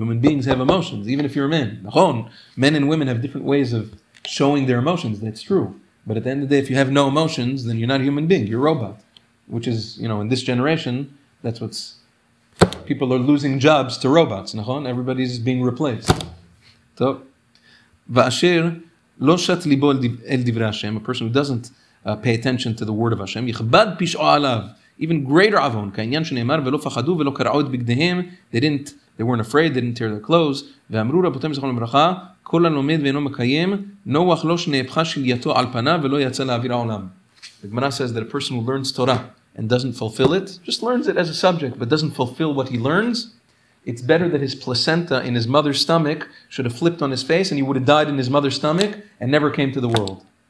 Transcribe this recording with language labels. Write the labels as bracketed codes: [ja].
[en] Human beings have emotions, even if you're a man. Nachon, men and women have different ways of showing their emotions. That's true. But at the end of the day, if you have no emotions, then you're not a human being. You're a robot. Which is, you know, in this generation, that's what's... People are losing jobs to robots. Nachon, everybody's being replaced. So, va'asher... [he] לא שט ליבו אל דברי השם, [en] a person who doesn't pay attention to the word of Hashem, [he] יכבד פשעו עליו, [en] even greater avon, [he] כעניין שנאמר, ולא פחדו ולא קראו את בגדיהם, [en] they weren't afraid, they didn't tear their clothes, [he] ואמרו רבותם זכרון לברכה, כל הלומד ואינו מקיים, נוח לא שנהפכה שלייתו על פנה ולא יצא לאוויר העולם. [en] The Gemara says that a person who learns Torah and doesn't fulfill it, just learns it as a subject, but doesn't fulfill what he learns, it's better that his placenta in his mother's stomach should have flipped on his face and he would have died in his mother's stomach and never came to the world.